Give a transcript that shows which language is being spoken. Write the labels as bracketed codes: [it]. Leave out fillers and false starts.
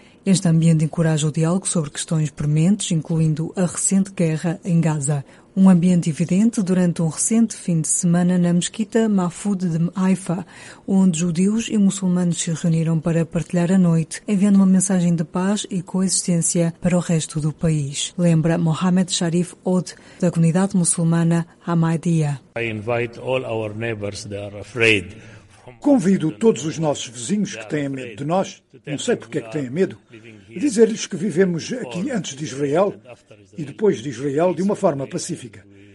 [pt] Este ambiente encoraja o diálogo sobre questões prementes, incluindo a recente guerra em Gaza. Um ambiente evidente durante um recente fim de semana na mesquita Mahfoud de Haifa, onde judeus e muçulmanos se reuniram para partilhar a noite, enviando uma mensagem de paz e coexistência para o resto do país. Lembra Mohamed Sharif Oud, da comunidade muçulmana Hamadia. [en] I invite all our neighbors that are afraid. [pt] Convido todos os nossos vizinhos que têm medo de nós, não sei porque é que têm medo, a dizer-lhes que vivemos aqui antes de Israel e depois de Israel de uma forma pacífica.